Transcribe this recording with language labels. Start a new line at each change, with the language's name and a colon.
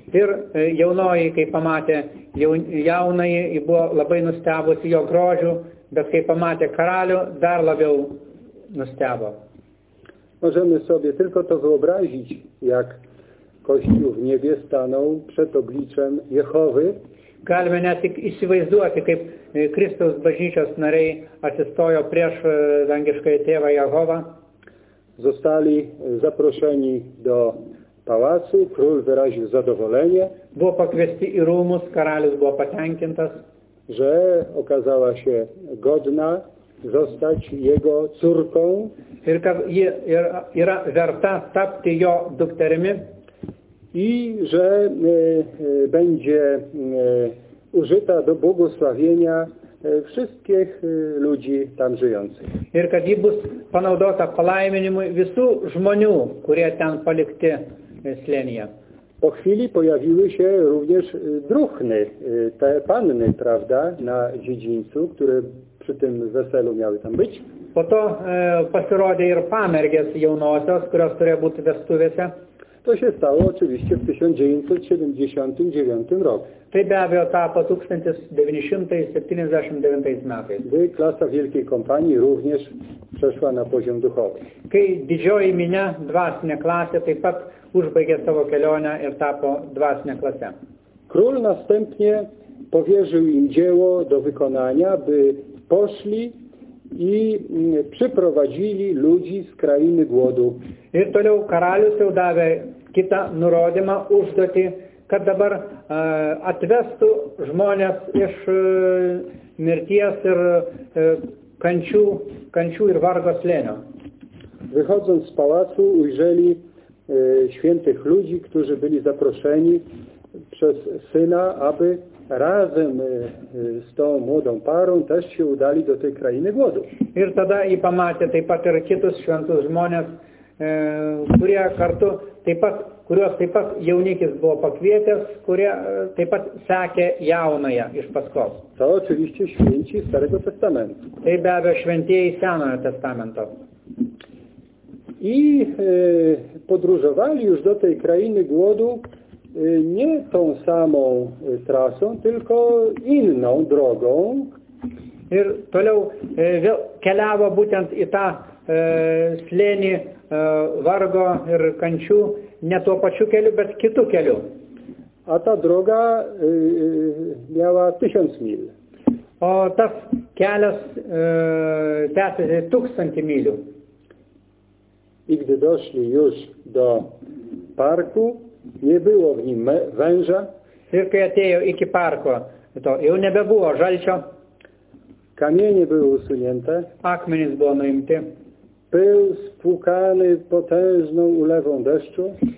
Lithuanian: Ir jaunoji, kai pamatė jaunąjį, i buvo labai nustebusi jo grožiu, bet kai pamatė karalių, dar labiau nustebo.
Polish: Możemy sobie tylko to wyobrazić, jak Kościół w niebie stanął przed obliczem Jehowy.
Lithuanian: Galime net tik įsivaizduoti, kaip Kristaus bažnyčios nariai atsistojo prieš dangiškąjį tėvą Jehovą.
Polish: Zostali zaproszeni do pałacu, król wyraził zadowolenie.
Lithuanian: Buvo pakviesti į rūmus, karalius buvo patenkintas.
Polish: Że okazała się godna zostać jego córką.
Lithuanian: Ir kad ji yra verta tapti jo dukterimi.
Polish: I że będzie użyta do błogosławienia wszystkich ludzi tam żyjących.
Lithuanian: Ir kad ji bus panaudota palaiminimui visų žmonių, kurie ten palikti slėnyje.
Polish: Po chwili pojawiły się również druhny, te panny, prawda, na dziedzińcu, które przy tym weselu miały tam być.
Lithuanian: Po to pasirodė ir pamergės jaunosios, kurios turėjo būti vestuvėse.
Polish: To się stało oczywiście w 1979 roku.
Lithuanian: Tai be abejo tapo 1979 metais.
Polish: Gdy klasa wielkiej kompanii również przeszła na poziom duchowy.
Lithuanian: Kai didžioji minia, dvasinė klasė, taip pat užbaigė savo kelionę ir tapo dvasinė klasė.
Polish: Król następnie powierzył im dzieło do wykonania, by poszli i przyprowadzili ludzi z krainy głodu.
Lithuanian: Ir toliau karalius jau davė kitą nurodymą, užduotį, kad dabar atvestų žmonės iš mirties ir kančių ir vargo slėnio.
Polish: Wychodząc z pałacu ujrzeli świętych ludzi, którzy byli zaproszeni przez syna, aby razem z tą młodą parą też się udali do tej krainy głodu.
Lithuanian: Ir tada i pamatė taip pat ir kitus šventus žmonės, kurie kartu taip pat, kuriuos taip pat jaunikis buvo pakvietęs, kurie taip pat sekė jaunąją iš paskos.
Polish: To oczywiście święci Starego Testamentu.
Lithuanian: Tai be abejo šventieji Senojo Testamento.
Polish: I podróżowali już do tej krainy głodu nie tą samą trasą, tylko inną drogą.
Lithuanian: Ir toliau vėl keliavo būtent į tą slėnį vargo ir kančių ne tuo pačiu keliu, bet kitu keliu.
Polish: A ta droga miała 1000 mil.
Lithuanian: O tas kelias tęsėsi 1000 mil.
Polish: I gdy doszli już do parku, nie było w nim węża.
Lithuanian: Ir kai atėjo iki parko, to jau nebebuvo žalčio.
Polish: Kamienie były usunięte.
Lithuanian: Akmenys buvo nuimti.
Polish: Pył spłukany potężną ulewą deszczu.